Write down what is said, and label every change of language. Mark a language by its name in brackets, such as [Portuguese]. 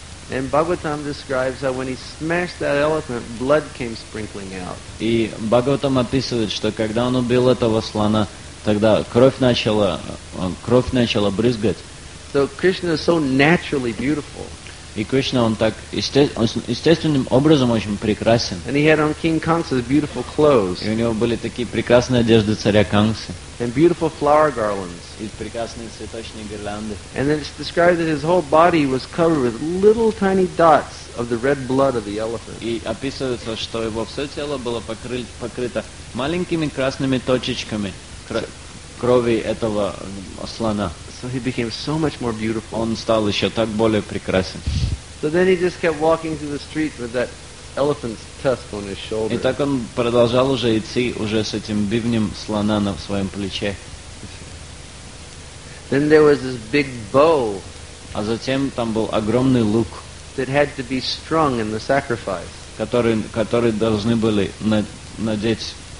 [English] And Bhagavatam describes how when he smashed that elephant, blood came sprinkling out. [Russian] И Бхагаватам описывает, что когда он убил этого слона, тогда кровь начала брызгать. [English] So Krishna is so naturally beautiful. [Russian] И Кришна, он так естественным образом очень прекрасен. [English] And he had on King Kamsa's beautiful clothes. [Russian] И у него были такие прекрасные одежды царя Камсы. [English] And beautiful flower garlands. [Russian] И прекрасные цветочные гирлянды. [English] And then it's described that his whole body was covered with little tiny dots of the red blood of the elephant. [Russian] И описывается, что его все тело было покрыто маленькими красными точечками крови этого слона. [English] So he became so much more beautiful. [Russian] Он стал еще так более прекрасен. [English] So then he just kept walking through the street with that elephant's tusk on his shoulder. [Russian] И так он продолжал уже идти уже с этим бивнем слона на своем плече. [English] Then there was this big bow. [Russian] А затем там был огромный лук. [English] That had to be strung in the sacrifice. [Russian] Который должны были надеть.